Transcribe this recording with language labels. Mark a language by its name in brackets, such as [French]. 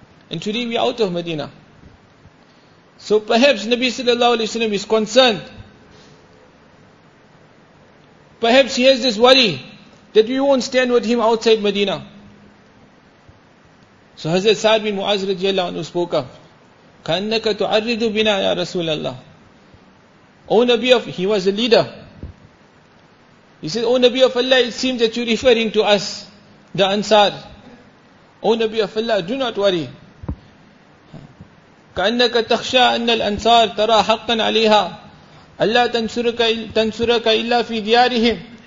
[English] And today we are out of Medina. So perhaps Nabi sallallahu alayhi wa sallam is concerned. Perhaps he has this worry that we won't stand with him outside Medina. So Hazrat Sa'd bin Mu'az radiallahu anhu spoke up. [Arabic] كَأَنَّكَ تُعَرِّضُ بِنَا يَا رَسُولَ اللَّهِ. [English] O Nabi of... He was a leader. He said, O Nabi of Allah, it seems that you're referring to us, the Ansar. O Nabi of Allah, do not worry. [Arabic] كَأَنَّكَ تَخْشَى أَنَّ الْأَنْصَارِ تَرَى حَقًّا عَلَيْهَا أَلَّا تَنْصُرَكَ إِلَّا فِي دِيَارِهِمْ.